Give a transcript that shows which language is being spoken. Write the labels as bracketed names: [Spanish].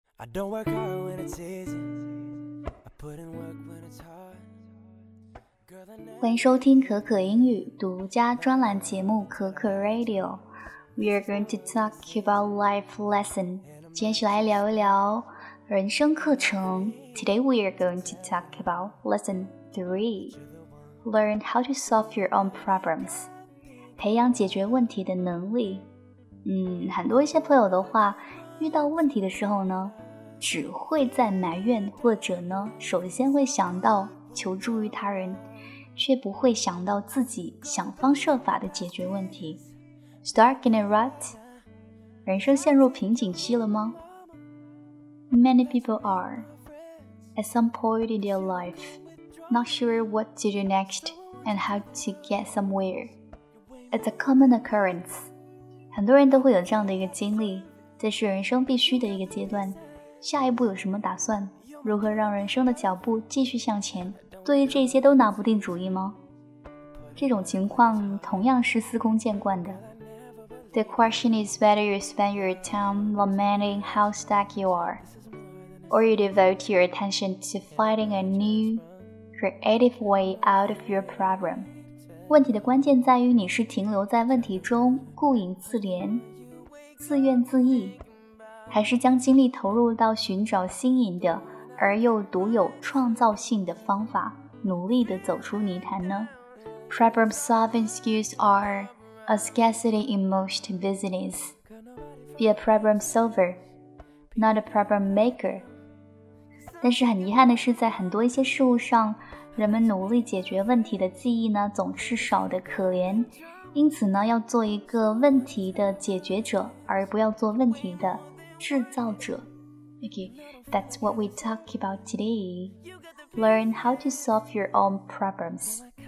[English] I don't work hard when it's easy. I put in work when it's hard. [Chinese] 欢迎收听可可英语独家专栏节目可可 Radio. [English] We are going to talk about life lesson. [Chinese] 今天是来聊一聊人生课程。 [English] Today we are going to talk about lesson 3. Learn how to solve your own problems. [Chinese] 培养解决问题的能力。很多一些朋友的话遇到问题的时候呢只会在埋怨或者呢首先会想到求助于他人却不会想到自己想方设法的解决问题。 [English] Stuck in a rut? [Chinese] 人生陷入瓶颈期了吗？ [English] Many people are, at some point in their life, not sure what to do next and how to get somewhere. It's a common occurrence. [Chinese] 很多人都会有这样的一个经历，这是人生必须的一个阶段。下一步有什么打算？如何让人生的脚步继续向前？对于这些都拿不定主意吗？这种情况同样是司空见惯的。 [English] The question is whether you spend your time lamenting how stuck you are, or you devote your attention to finding a new, creative way out of your problem. [Chinese] 问题的关键在于你是停留在问题中，顾影自怜，自怨自艾，还是将精力投入到寻找新颖的而又独有创造性的方法，努力地走出泥潭呢？ [English] Problem solving skills are a scarcity in most business. Be a problem solver, not a problem maker. [Chinese] 但是很遗憾的是，在很多一些事物上，人们努力解决问题的记忆呢，总是少得可怜。因此呢，要做一个问题的解决者，而不要做问题的制造者。 [English] Okay, that's what we talk about today. Learn how to solve your own problems.